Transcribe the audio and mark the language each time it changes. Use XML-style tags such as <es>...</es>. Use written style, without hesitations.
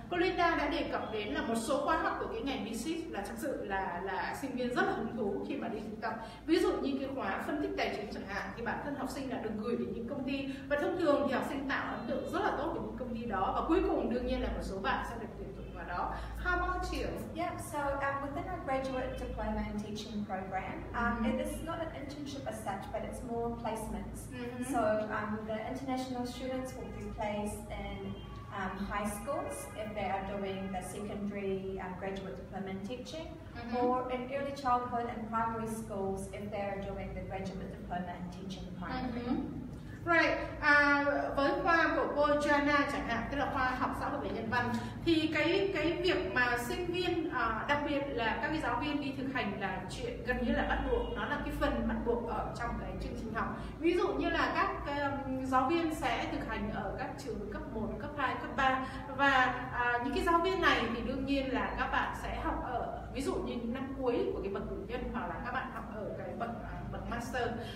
<vi>Cô Linda đã đề cập đến là một số khóa học của cái ngành business là thực sự là sinh viên rất là hứng thú khi mà đi thực tập. Ví dụ như cái khóa phân tích tài chính chẳng hạn thì bản thân học sinh đã được gửi đến những công ty và thông thường thì học sinh tạo ấn tượng rất là tốt của những công ty đó và cuối cùng đương nhiên là một số bạn sẽ được tuyển dụng vào đó.</vi> <en>How about you? Yeah, so within our graduate diploma and teaching program, this is not an internship as such, but it's more placements. Mm-hmm. So the international students will be placed in high schools if they are doing the secondary graduate diploma and teaching, mm-hmm. or in early childhood and primary schools if they are doing the graduate diploma and teaching primary. Mm-hmm.</en> <vi>Right, với khoa của cô Jana chẳng hạn, tức là khoa học xã hội và nhân văn, thì cái việc mà sinh viên, đặc biệt là các cái giáo viên đi thực hành là chuyện gần như là bắt buộc, nó là cái phần bắt buộc ở trong cái chương trình học. Ví dụ như là các giáo viên sẽ thực hành ở các trường cấp 1, cấp 2, cấp 3, và những cái giáo viên này thì đương nhiên là các bạn sẽ học ở, ví dụ như năm cuối của cái bậc cử nhân, hoặc là các bạn học ở cái bậc master.</vi>